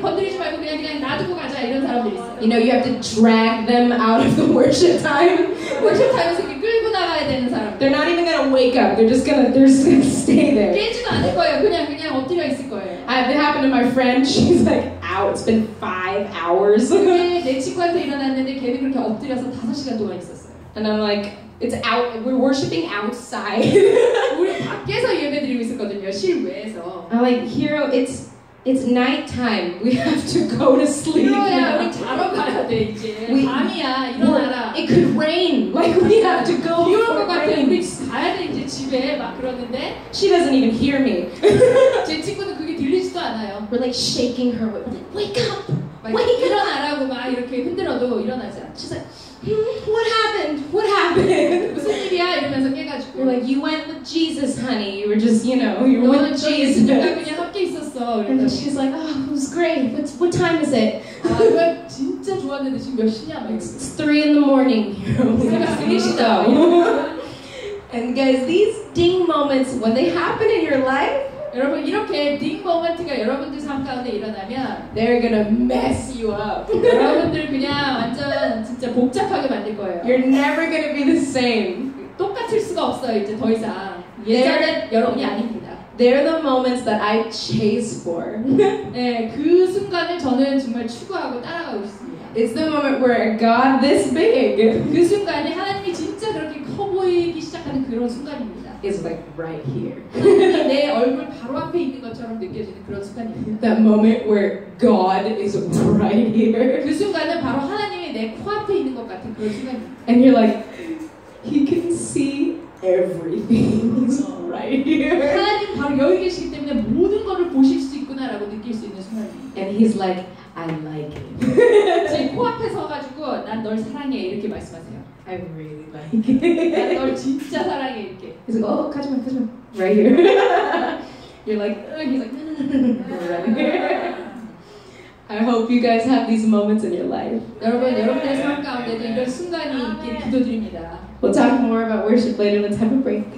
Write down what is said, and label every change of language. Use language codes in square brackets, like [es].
[ko] 건드리지 말고 그냥 놔두고 가자 이런 사람들 있어요. [en] You know, you have to drag them out of the worship time. Worship time [ko] 에서 끌고 나가야 되는 사람. [en] They're not even gonna wake up. They're just gonna stay there. [ko] 깨지도 않을 거예요. 그냥 엎드려 있을 거예요. [en] It happened to my friend. She's like, "Ow, it's been 5 hours." [ko] 내 친구한테 일어났는데 걔는 그렇게 엎드려서 5시간 동안 있었어요. [en] And I'm like, "It's out. We're worshiping outside." [ko] 우리 밖에서 예배 드리고 있었거든요. 실외에서. [en] I'm like, "Hero, it's night time. We have to go to sleep." [ko] 히로야, 우리 자러 가야 돼 이제. 밤이야, 일어나라. [en] It could rain. Like we have to go. [ko] 비올 것 같아. 우리 가야 돼 이제 집에 막 그러는데. [en] She doesn't even hear me. [ko] 제 친구는 그게 들리지도 않아요. [en] We're like shaking her. Wake up. Wake up. [ko] 일어나라고 막 이렇게 흔들어도 일어나지 않아. [en] She's like, What happened? [ko] 무슨 일이야? 이러면서 깨가지고. [en] We're like, you went with Jesus, honey. You were just, you know, you were with Jesus. [ko] 그냥 함께 있었어. [en] And then she's like, oh, it was great. What time is it? [ko] 아, 진짜 좋았는데 지금 몇 시냐? [en] It's 3 in the morning. [ko] 3시다. [en] And guys, these ding moments, when they happen in your life, [ko] 여러분 이렇게 딩 모먼트가 여러분들 삶 가운데 일어나면 [en] they're gonna mess you up. [ko] 여러분들 그냥 완전 진짜 복잡하게 만들 거예요. [en] You're never gonna be the same. [ko] 똑같을 수가 없어요 이제 더 이상. 예전엔 여러분이 아닙니다. [en] They're the moments that I chase for. [ko] 네, 그 순간을 저는 정말 추구하고 따라가고 있습니다. [en] It's the moment where God this big. [ko] 그 순간에 하나님이 진짜 그렇게 커 보이기 시작하는 그런 순간입니다. [en] Is like right here. [ko] 내 얼굴 바로 앞에 있는 것처럼 느껴지는 그런 순간이에요. [en] That moment where God is right here. [ko] 그 순간은 바로 하나님이 내 코앞에 있는 것 같은 그런 순간이에요. [en] And you're like, He can see everything. He's right here. [ko] 하나님 바로 여기 계시기 때문에 모든 것을 보실 수 있구나라고 느낄 수 있는 순간이에요. [en] And He's like, I like it. [ko] 제 난 널 사랑해 이렇게 말씀하세요. [en] I really like it. [ko] 난 널 진짜 사랑해 이렇게. [en] He's like, oh, [ko] 가지마, 가지마. [en] Right here. You're like, ugh. He's like, no, no, no, right here. I hope you guys have these moments in your life. [ko] 여러분, 여러분들의 삶 가운데도 이런 순간이 있길 기도드립니다. [en] We'll talk more about worship later when it's time for break.